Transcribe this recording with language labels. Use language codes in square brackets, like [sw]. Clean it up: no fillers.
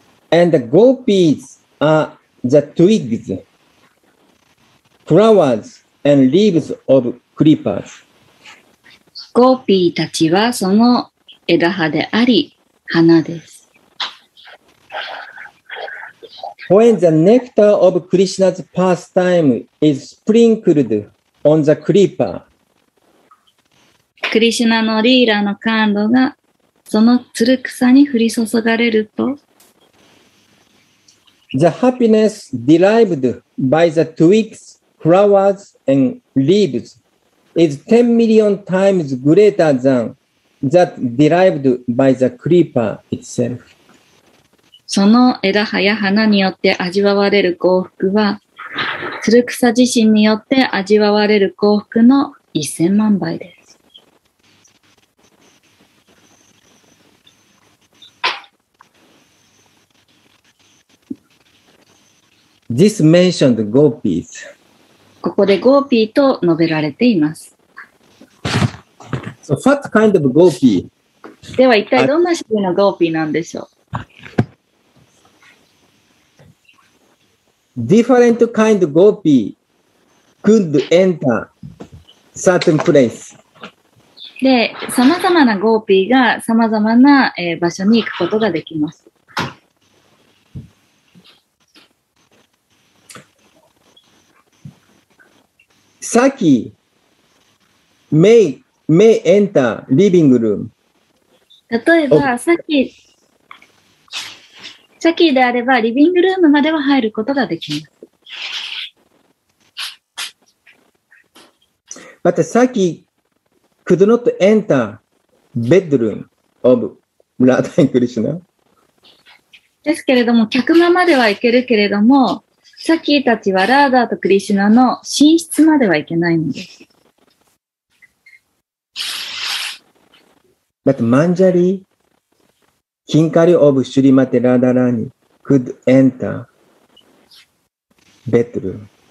[en] And the gopis are the twigs, flowers, and leaves of creepers. [ja] ゴーピーたちはその枝葉であり花です。 [en] When the nectar of Krishna's pastime is sprinkled on the creeper, [ja] クリシュナのリーラの甘露がそのつる草に降り注がれると、 [en] The happiness derived by the twigs, flowers, and leaves is 10 million times greater than that derived by the creeper itself. [ja] その枝葉や花によって味わわれる幸福は、つる草自身によって味わわれる幸福の1000万倍です。 [en] This mentioned gopis. [ja] ここでゴーピーと述べられています。 [en] So what kind of gopi? [ja] では一体どんな種類のゴーピーなんでしょう [en] ？Different kind of gopi could enter certain place. [ja] で、さまざまなゴーピーがさまざまな場所に行くことができます。 [en] さっき、May enter living room. [ja] 例えば、サキであれば、リビングルームまでは入ることができます。 [en] But Saki could not enter bedroom of Radha and Krishna. [ja] ですけれども、客間までは行けるけれども、サキたちはラーダーとクリシュナの寝室までは行けないのです。 [en] But Manjari, Kinkari of Srimati Radharani could enter bedroom.